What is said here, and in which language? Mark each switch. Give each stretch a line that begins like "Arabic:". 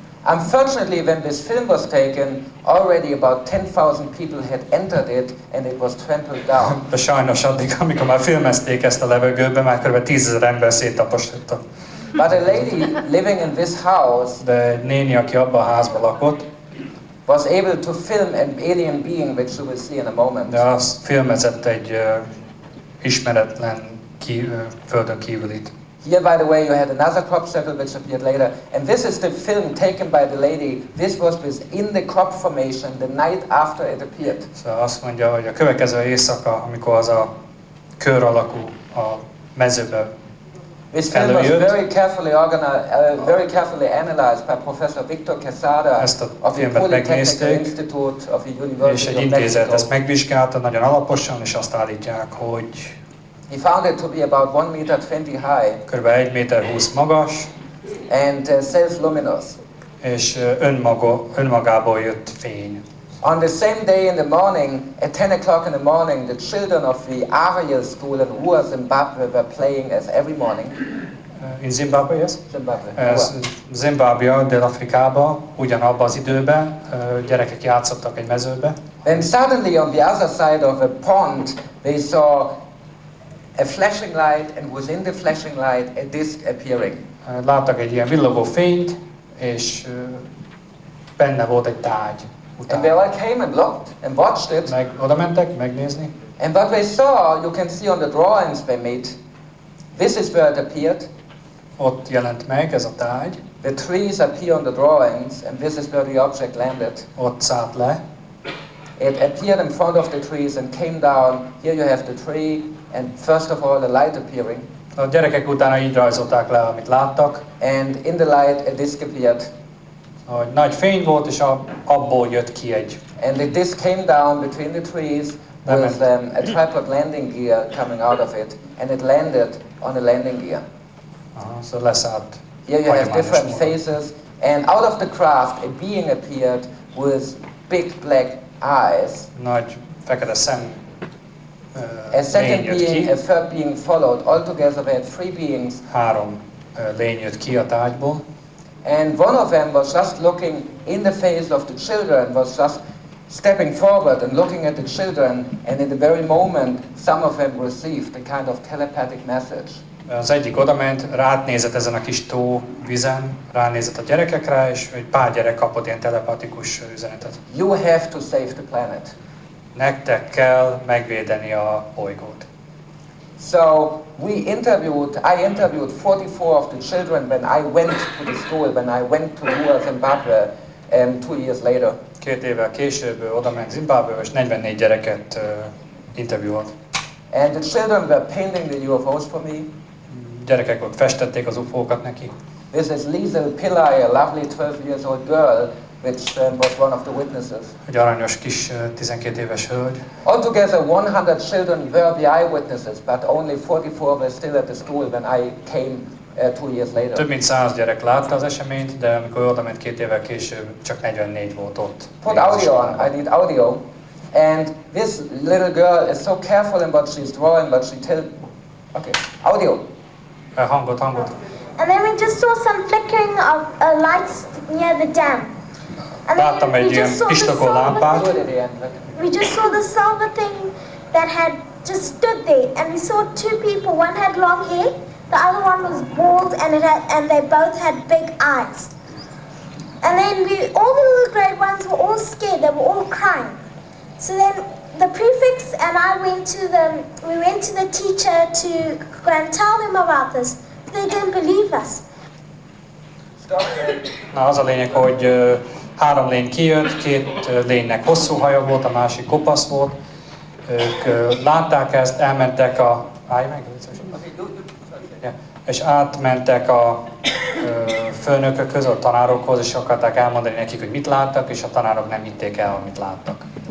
English: Unfortunately, when this film was taken, already about 10,000 people had entered it, and it was trampled down.
Hungarian: De sajnos addig, amikor már filmezték ezt a levegőbe, már kb. 10,000 ember széttaposította.
English: But a lady living in this house,
Hungarian: de egy néni, aki abban a házban lakott,
English: was able to film an alien being, which you will see in a moment.
Hungarian: De azt filmezett egy ismeretlen földön kívülit.
English: Here, by the way, you had another crop circle which appeared later. And this is the film taken by the lady. This was within the crop formation the night after it appeared.
Hungarian: So, azt mondja, hogy a következő éjszaka, amikor az a kör alakú a mezőbe
English: this film
Hungarian: előjött,
English: was very carefully organized, very carefully analyzed by Professor Victor Quesada of the Polytechnical Institute of the University of Mexico.
Hungarian: És egy intézet ezt megvizsgálta nagyon alaposan, és azt állítják, hogy
English: he found it to be about 1 meter 20 high.
Hungarian: Körülbelül 1 méter 20 magas.
English: And self-luminous.
Hungarian: És önmagából jött fény.
English: On the same day in the morning, at 10 o'clock in the morning, the children of the Ariel School in Ua, Zimbabwe were playing as every morning. In Zimbabwe, yes? Zimbabwe.
Hungarian: Zimbabwe, Dél-Afrikába, ugyanabban az időben gyerekek játszottak egy mezőbe.
English: Then suddenly on the other side of a pond, they saw a flashing light, and within the flashing light, a disc appearing.
Hungarian: Láttak egy ilyen villogó fényt, és benne volt egy tárgy.
English: And they all came and looked and watched it.
Hungarian: Meg oda mentek, megnézni.
English: And what they saw, you can see on the drawings they made. This is where it appeared.
Hungarian: Ott jelent meg ez a tárgy.
English: The trees appear on the drawings, and this is where the object landed.
Hungarian: Ott szállt le.
English: It appeared in front of the trees and came down. Here you have the tree. And first of all, the light appearing.
Hungarian: A gyerekek utána így rajzolták le, amit láttak.
English: And in the light, a disc appeared.
Hungarian: Hogy nagy fény volt, és abból jött ki egy.
English: And the disc came down between the trees with a tripod landing gear coming out of it, and it landed on a landing gear.
Hungarian: So leszállt.
English: Here you have different phases, and out of the craft, a being appeared with big black eyes.
Hungarian: Nagy fekete szem.
English: A second being, a third being followed. Altogether we had three beings.
Hungarian: Három lény jött ki a tárgyból.
English: And one of them was just looking in the face of the children, was just stepping forward and looking at the children, and in the very moment some of them received a kind of telepathic message.
Hungarian: Az egyik odament, rát nézett ezen a kis tó vízen, ránézett a gyerekekre, és egy pár gyerek kapott ilyen telepatikus üzenetet.
English: You have to save the planet.
Hungarian: Nektek kell megvédeni a bolygót.
English: So we interviewed, I interviewed 44 of the children when I went to the school, when I went to Ua, Zimbabwe, 2 years later.
Hungarian: Két évvel később oda ment Zimbabwe, és 44 gyereket interviewolt.
English: And the children were painting the UFOs for me.
Hungarian: Gyerekek ott festették az UFO-kat neki.
English: This is Liesel Pillai, a lovely 12 years old girl, which was one of the witnesses.
Hungarian: Egy aranyos kis 12 éves hölgy.
English: Altogether 100 children were the eyewitnesses, but only 44 were still at the school when I came 2 years later.
Hungarian: Több mint 100 gyerek látta az eseményt, de amikor oda ment 2 évvel később, csak 44 volt ott.
English: Put audio on, I need audio. And this little girl is so careful in what she's drawing, but she tell... Okay, audio.
Hungarian: Hangot.
English: And then we just saw some flickering of lights near the dam. Láttam egy ilyen pislogó lámpát. We just saw the silver thing that had just stood there, and we saw two people. One had long hair, the other one was bald, and it had, and they both had big eyes. And then we, all the little grade ones were all scared. They were all crying. So then the prefects and I went to the, we went to the teacher to go and tell them about this. But they didn't believe us.
Hungarian: Na, az a lényeg, hogy három lény kijött, két lénynek hosszú haja volt, a másik kopasz volt. Ők látták ezt, elmentek a... Állj meg! És átmentek a főnökökhöz, a tanárokhoz, és akarták elmondani nekik, hogy mit láttak, és a tanárok nem hitték el, amit láttak.